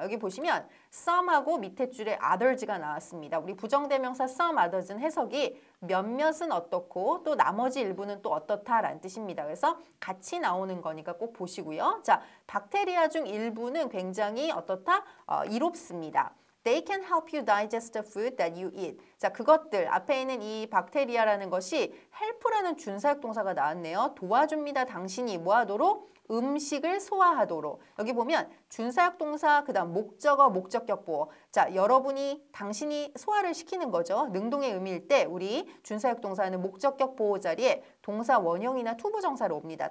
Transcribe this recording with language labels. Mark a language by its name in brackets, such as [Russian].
[Korean] 여기 보시면 some하고 밑에 줄에 others가 나왔습니다. 우리 부정대명사 some others는 해석이 몇몇은 어떻고 또 나머지 일부는 또 어떻다라는 뜻입니다. 그래서 같이 나오는 거니까 꼭 보시고요. 자, 박테리아 중 일부는 굉장히 어떻다? 이롭습니다. [English] They can help you digest the food that you eat. [Korean] 자, 그것들 앞에 있는 이 박테리아라는 것이 help라는 준사역 동사가 나왔네요. 도와줍니다. 당신이 뭐하도록? 음식을 소화하도록. 여기 보면 준사역 동사 그다음 목적어 목적격 보어. 자, 여러분이 당신이 소화를 시키는 거죠. 능동의 의미일 때 우리 준사역 동사는 목적격 보어 자리에 동사 원형이나 투부정사로 옵니다.